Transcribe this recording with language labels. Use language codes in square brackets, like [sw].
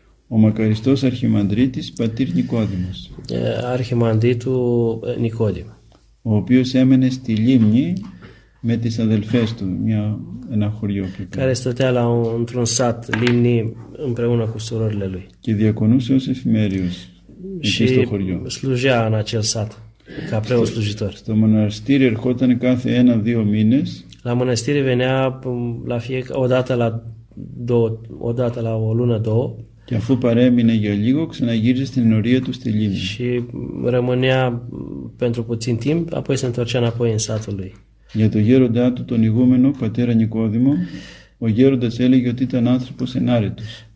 [el] Ο μακαριστός αρχιμανδρίτης πατήρ Νικόδημος. [ro] Αρχιμανδρίτου Νικόδημα. [el] Ο οποίος έμενε στη λίμνη με τις αδελφές του, ένα χωριό. [ro] Care stătea la într-un sat limni împreună cu surorile lui. [el] Και διακονούσε ως εφημέριος εκεί στο χωριό. [ro] Slujea în acel sat, ca preot slujitor. [el] Στο μοναστήρι ερχόταν κάθε ένα-δύο μήνες. [ro] La mănăstire venea o dată la o lună, două. [el] Και αφού παρέμεινε για λίγο, ξαναγύριζε στην ενορία του στη λίμνη. [ro] Și rămânea pentru puțin timp, apoi se întorcea înapoi în satul lui. [el] Για το γέροντά του, τον ηγούμενο, πατέρα Νικόδημο, ο γέροντας έλεγε ότι ήταν άνθρωπος ενάρετος.